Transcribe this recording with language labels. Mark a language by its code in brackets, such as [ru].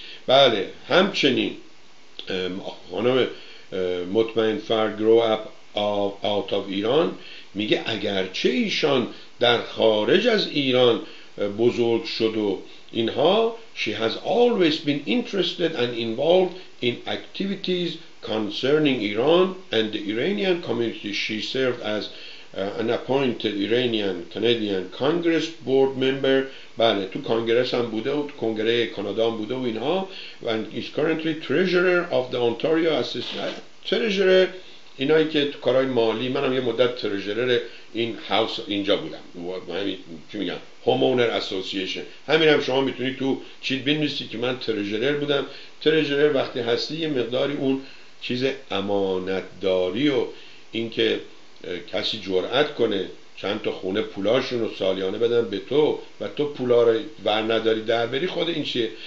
[fa] بله همچنین خانم مطمئن فرد [en] grow up out of Iran [fa] میگه اگرچه ایشان در خارج از ایران بزرگ شد و اینها، [en] she has always been interested and involved in activities concerning Iran and the Iranian community. She served as an appointed Iranian Canadian Congress board member. [fa] بله تو کانگرس هم بوده و تو کنگره کانادا هم بوده و اینها. [en] And is currently treasurer of the Ontario Association. [fa] Treasurer اینایی که تو کارهای مالی، من هم یه مدت ترژرر این هاوس اینجا بودم، چی میگم هوم‌اونر اسوسییشن، همین هم شما میتونید تو چیت بنویسید که من ترژرر بودم. ترژرر وقتی هستی یه مقداری اون چیز امانتداری و این که کسی جرأت کنه چند تا خونه پولاشون رو سالیانه بدن به تو و تو پولا رو ور نداری در بری، خود این چیه.